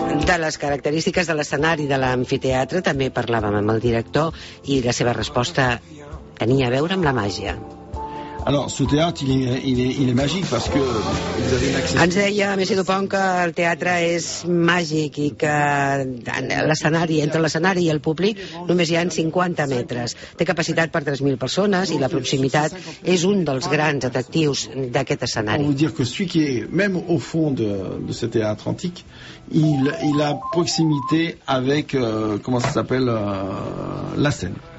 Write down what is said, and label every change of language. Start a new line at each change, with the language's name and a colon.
Catalan: De les característiques de l'escenari de l'amfiteatre també parlàvem amb el director i la seva resposta tenia a veure amb la màgia.
French: Alors, ce théâtre, il est magique parce que vous avez accès.
Catalan: Ens deia Mercè Dupont que el teatre és màgic i que l'escenari, entre l'escenari i el públic, només hi ha 50 metres. Té capacitat per 3.000 persones i la proximitat és un dels grans atractius d'aquest escenari. Vull dir que
French: celui qui est même au fond de ce théâtre antique, il a proximité avec comment ça s'appelle la scène.